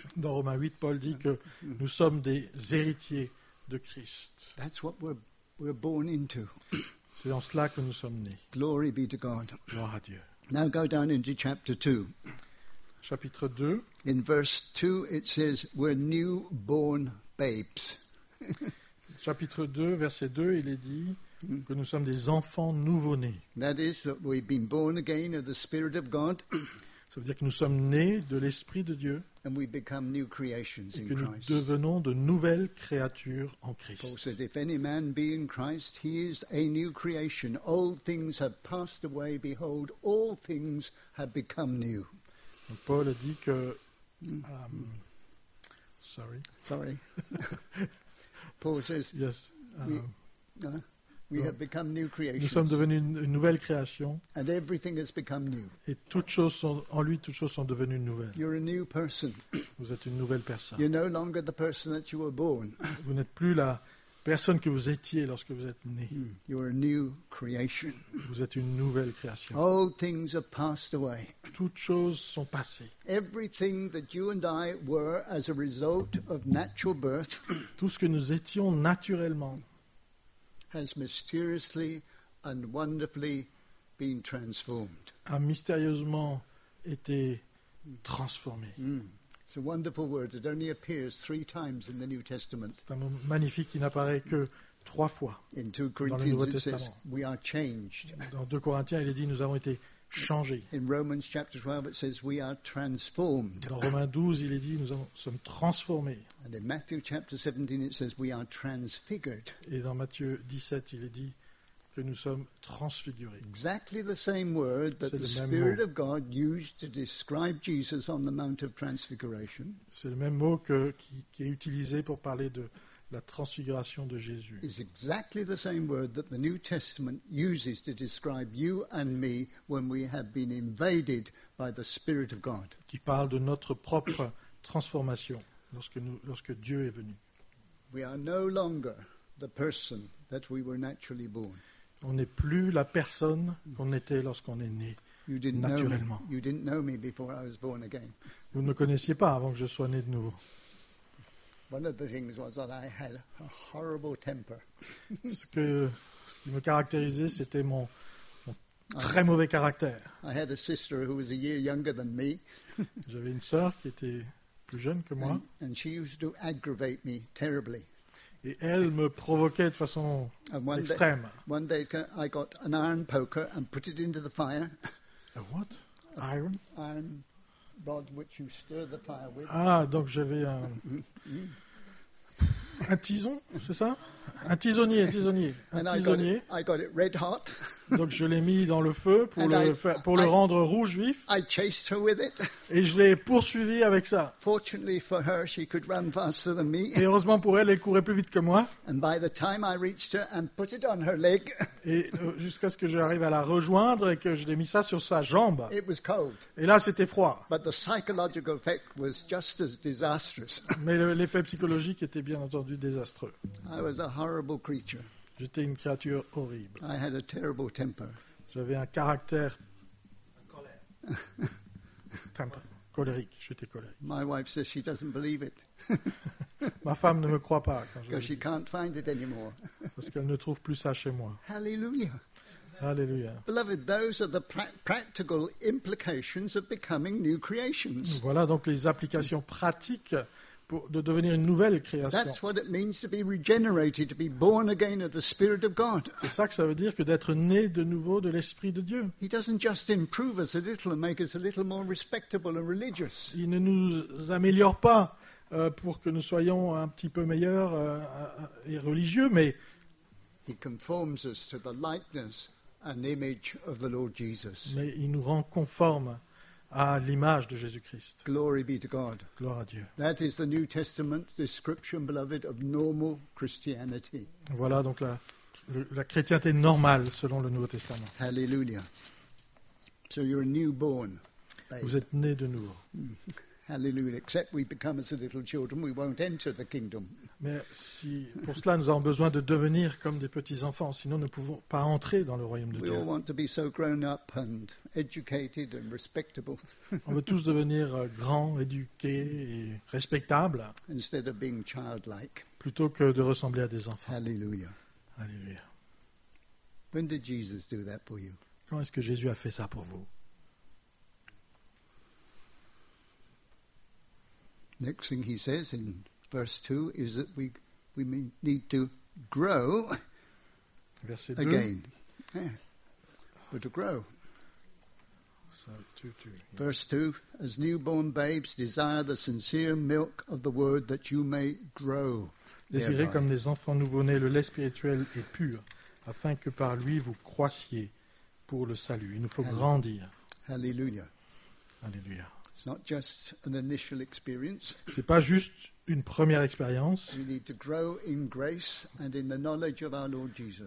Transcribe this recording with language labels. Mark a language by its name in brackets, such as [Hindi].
[French] Dans Romains 8, Paul dit que nous sommes des héritiers de Christ. [English] That's what we're born into. [French] C'est en cela que nous sommes nés. [English] Glory be to God. [French] Gloire à Dieu. [English] Now go down into chapter 2. [French] Chapitre 2. [English] In verse 2, it says, we're new born babes. [French] Chapitre 2, verset 2, il est dit que nous sommes des enfants nouveau-nés. [English] That is, that we've been born again of the Spirit of God. [French] Ça veut dire que nous sommes nés de l'Esprit de Dieu. [English] And we become new creations in Christ. [French] Et que nous devenons de nouvelles créatures en Christ. [English] Paul said, if any man be in Christ, he is a new creation. Old things have passed away. Behold, all things have become new. [French] Donc Paul a dit que... [English] Sorry. Paul says, yes, we have become new creations. [French] Nous sommes devenus une nouvelle création. [English] And everything has become new. [French] Et toutes choses sont devenues nouvelles. [English] You're a new person. [French] Vous êtes une nouvelle personne. [English] You're no longer the person that you were born. [French] Vous n'êtes plus la personne que vous étiez lorsque vous êtes né. [English] You're a new creation. [French] Vous êtes une nouvelle création. [English] All things have passed away. [French] Toutes choses sont passées. [English] Everything that you and I were as a result of natural birth. [French] Tout ce que nous étions naturellement. [English] Has mysteriously and wonderfully been transformed. [French] A mystérieusement été transformé. [English] It's a wonderful word. It only appears three times in the New Testament. [French] C'est un mot magnifique qui n'apparaît que trois fois dans le Nouveau Testament. [English] It says, we are changed. [French] Dans 2 Corinthiens, il est dit nous avons été changés. [English] In Romans chapter 12, it says we are transformed. [French] Dans Romains 12, il est dit nous sommes transformés. [English] And in Matthew chapter 17, it says we are transfigured. [French] Et dans Matthieu 17, il est dit que nous sommes transfigurés. [English] Exactly the same word that [French] c'est [English] the Spirit of God used to describe Jesus on the Mount of Transfiguration. [French] C'est le même mot qui est utilisé pour parler de la transfiguration de Jésus. [English] It's exactly the same word that the New Testament uses to describe you and me when we have been invaded by the Spirit of God. [French] Qui parle de notre propre transformation lorsque Dieu est venu. [English] We are no longer the person that we were naturally born. [French] On n'est plus la personne qu'on était lorsqu'on est né naturellement. [English] You didn't know me before I was born again. [French] Vous ne me connaissiez pas avant que je sois né de nouveau. [English] One of the things was that I had a horrible temper. [French] Ce qui me caractérisait, c'était mon très mauvais caractère. [English] I had a sister who was a year younger than me. [French] J'avais une sœur qui était plus jeune que moi. [English] And she used to aggravate me terribly. [French] Et elle me provoquait de façon extrême. [English] One day I got an iron poker and put it into the fire. A what? Iron? An iron rod which you stir the fire with. [French] Ah, donc j'avais un tison, c'est ça? Un tisonnier. [English] I got it red hot. [French] Donc je l'ai mis dans le feu pour le rendre rouge vif. [English] I chased her with it. [French] Et je l'ai poursuivi avec ça. [English] Fortunately for her, she could run faster than me. [French] Et heureusement pour elle courait plus vite que moi. [English] And by the time I reached her and put it on her leg. [French] Et jusqu'à ce que j'arrive à la rejoindre et que je l'ai mis ça sur sa jambe. [English] It was cold. [French] Et là c'était froid. [English] But the psychological effect was just as disastrous. [French] Mais l'effet psychologique était bien entendu désastreux. [English] I was a horrible creature. [French] J'étais une créature horrible. [English] I had a terrible temper. [French] J'avais un caractère colérique. J'étais colérique. [English] My wife says she doesn't believe it. [French] Ma femme ne me croit pas quand je dis. [English] She can't find it anymore. [French] Parce qu'elle ne trouve plus ça chez moi. [English] Hallelujah. [French] Hallelujah. [English] Beloved, those are the practical implications of becoming new creations. [French] Voilà donc les applications pratiques de devenir une nouvelle création. [English] That's what it means to be regenerated, to be born again of the Spirit of God. [French] C'est ça que ça veut dire que d'être né de nouveau de l'Esprit de Dieu. [English] He doesn't just improve us a little and make us a little more respectable and religious. [French] Il ne nous améliore pas pour que nous soyons un petit peu meilleurs et religieux, mais [English] he conforms us to the likeness and image of the Lord Jesus. [French] Mais il nous rend conformes à l'image de Jésus-Christ. [English] Glory be to God. [French] Gloire à Dieu. [English] That is the New Testament description, beloved, of normal Christianity. [French] Voilà donc la chrétienté normale selon le Nouveau Testament. [English] Hallelujah. So you're newborn. [French] Vous êtes né de nouveau. [English] Hallelujah. Except we become as a little children, we won't enter the kingdom. [French] Mais si pour cela nous avons besoin de devenir comme des petits enfants, sinon nous ne pouvons pas entrer dans le royaume de Dieu. [English] We all want to be so grown up and educated and respectable. [French] On veut tous devenir grands, éduqués et respectables. [English] Instead of being childlike. [French] Plutôt que de ressembler à des enfants. [English] Hallelujah. [French] Hallelujah. [English] When did Jesus do that for you? [French] Quand est-ce que Jésus a fait ça pour vous? [English] Next thing he says in verse 2 is that we need to grow again. Yeah. We're to grow. So two. Verse 2, as newborn babes, desire the sincere milk of the word that you may grow. [French] Désirez comme des enfants nouveau-nés le lait spirituel et pur, afin que par lui vous croissiez pour le salut. Il nous faut grandir. [English] Hallelujah. [French] Hallelujah. [English] It's not just an initial experience. [French] C'est pas juste une première expérience. [English] We need to grow in grace and in the knowledge of our Lord Jesus.